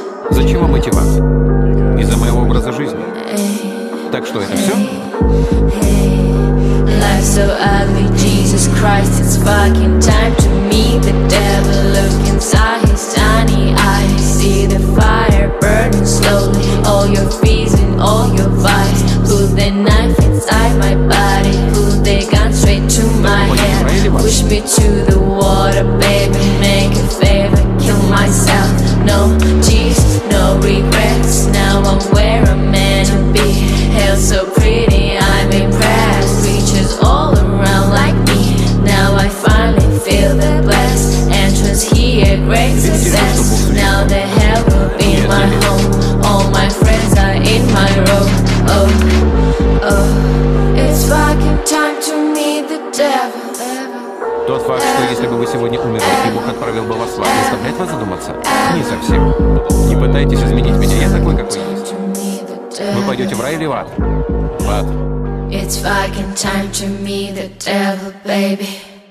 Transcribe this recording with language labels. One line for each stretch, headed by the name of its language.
Russian: Зачем вам идти в ад? Из-за моего образа жизни. Так что это все?
English: Life's so ugly, Jesus Christ, it's fucking time to meet the devil. Look inside his tiny eyes, see the fire burning slowly. All your fears and all your vice. Put the knife inside my body, put the gun straight to my head. Push me to the water, baby, make a favor, kill myself. No Jesus, no regrets, now I'm where I'm meant to be. Hell so pretty, I'm impressed. All around like me. Now I finally feel the blessed entrance here, great success. Now the hell will be my home. All my friends are in my row. Oh, oh. It's fucking time to meet the devil.
Russian: Тот факт, что если бы вы сегодня умерли, и Бог отправил бы вас в ад, заставляет вас задуматься? Не совсем. Не пытайтесь изменить меня, я такой, какой есть. Вы пойдете в рай или в ад? В ад.
English: It's fucking time to meet the devil, baby.